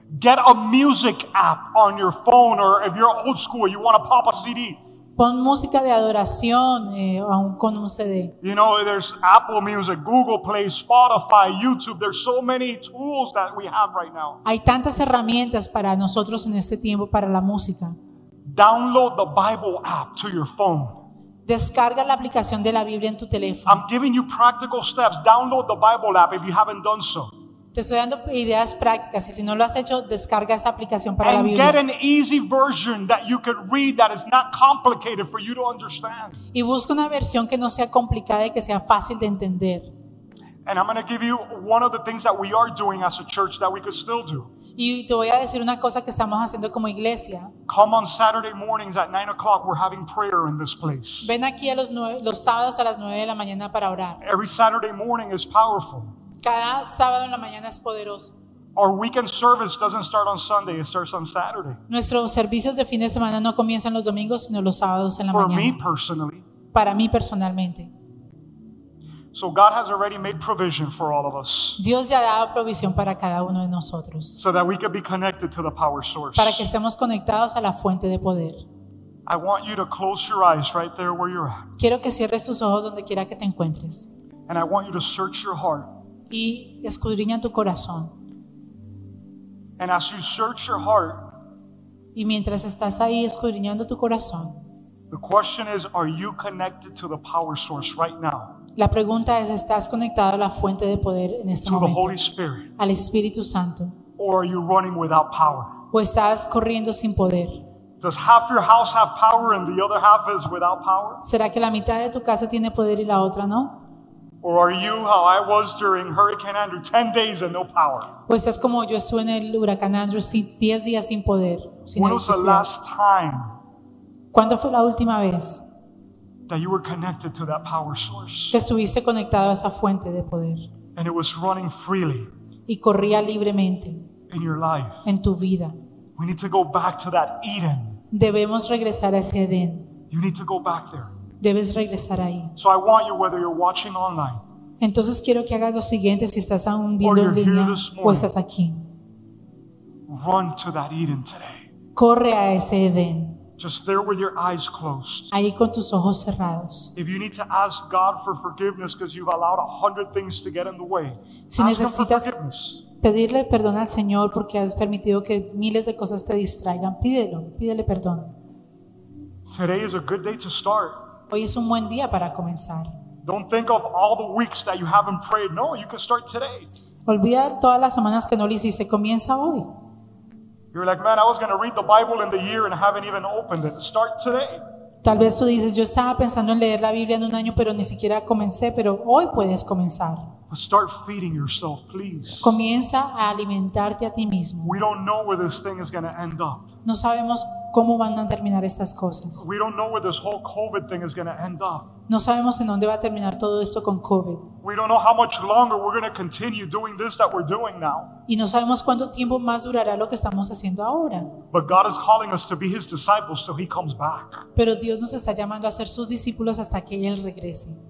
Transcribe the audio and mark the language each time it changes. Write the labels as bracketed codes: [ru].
[en] Get a music app on your phone, or if you're old school, you want to pop a CD. [es] Pon música de adoración, aun con un CD. [en] You know, there's Apple Music, Google Play, Spotify, YouTube. There's so many tools that we have right now. [es] Hay tantas herramientas para nosotros en este tiempo para la música. [en] Download the Bible app to your phone. [es] Descarga la aplicación de la Biblia en tu teléfono. [en] I'm giving you practical steps. Download the Bible app if you haven't done so. [es] Te estoy dando ideas prácticas y si no lo has hecho, descarga esa aplicación para [en] and [es] la Biblia. [en] Get an easy version that you can read that is not complicated for you to understand. [es] Y busca una versión que no sea complicada y que sea fácil de entender. [en] And I'm going to give you one of the things that we are doing as a church that we could still do. [es] Y te voy a decir una cosa que estamos haciendo como iglesia. [en] Come on Saturday mornings at 9 o'clock. We're having prayer in this place. [es] Ven aquí a los sábados a las 9 de la mañana para orar. [en] Every Saturday morning is powerful. [es] Cada sábado en la mañana es poderoso. [en] Our weekend service doesn't start on Sunday. It starts on Saturday. [es] Nuestros servicios de fin de semana no comienzan los domingos, sino los sábados en la [en] For [es] mañana. [en] Me personally. [es] Para mí personalmente. [en] So God has already made provision for all of us. [es] Dios ya ha dado provisión para cada uno de nosotros. [en] So that we can be connected to the power source. [es] Para que estemos conectados a la fuente de poder. [en] I want you to close your eyes right there where you're at. [es] Quiero que cierres tus ojos donde quiera que te encuentres. [en] And I want you to search your heart. [es] Y escudriña tu corazón. [en] And as you search your heart. [es] Y mientras estás ahí escudriñando tu corazón. [en] The question is, are you connected to the power source right now? [es] La pregunta es, ¿estás conectado a la fuente de poder en este momento? Al Espíritu Santo. [en] Or are you running without power? [es] ¿O estás corriendo sin poder? [en] Does half your house have power and the other half is without power? [es] ¿Será que la mitad de tu casa tiene poder y la otra no? [en] Or are you how I was during Hurricane Andrew, 10 days and no power? [es] ¿O estás como yo estuve en el huracán Andrew, 10 días sin poder, sin electricidad? [en] When was the last time? [es] ¿Cuándo fue la última vez? [en] that you were connected to that power source. [es] Que estuviste conectado a esa fuente de poder. [en] And it was running freely. [es] Y corría libremente. [en] In your life. [es] En tu vida. [en] We need to go back to that Eden. [es] Debemos regresar a ese Edén. [en] You need to go back there. [es] Debes regresar ahí. [en] So I want you, whether you're watching online. [es] Entonces quiero que hagas lo siguiente, si estás aún viendo en línea o estás aquí. [en] Run to that Eden today. [es] Corre a ese Edén. [en] Just there with your eyes closed. [es] Ahí con tus ojos cerrados. [en] If you need to ask God for forgiveness because you've allowed 100 things to get in the way, [es] si necesitas pedirle perdón al Señor porque has permitido que miles de cosas te distraigan, pídelo, pídele perdón. [en] Today is a good day to start. [es] Hoy es un buen día para comenzar. [en] Don't think of all the weeks that you haven't prayed. No, you can start today. [es] Olvida todas las semanas que no lo hiciste. Comienza hoy. [en] You're like, man, I was going to read the Bible in the year and haven't even opened it. Start today. [es] Tal vez tú dices, yo estaba pensando en leer la Biblia en un año, pero ni siquiera comencé. Pero hoy puedes comenzar. [en] But start feeding yourself, please. [es] Comienza a alimentarte a ti mismo. [en] We don't know where this thing is going to end up. [es] No sabemos cómo van a terminar estas cosas. [en] We don't know where this whole COVID thing is going to end up. [es] No sabemos en dónde va a terminar todo esto con COVID. [en] We don't know how much longer we're going to continue doing this that we're doing now. [es] Y no sabemos cuánto tiempo más durará lo que estamos haciendo ahora. [en] But God is calling us to be His disciples till He comes back. [es] Pero Dios nos está llamando a ser sus discípulos hasta que Él regrese.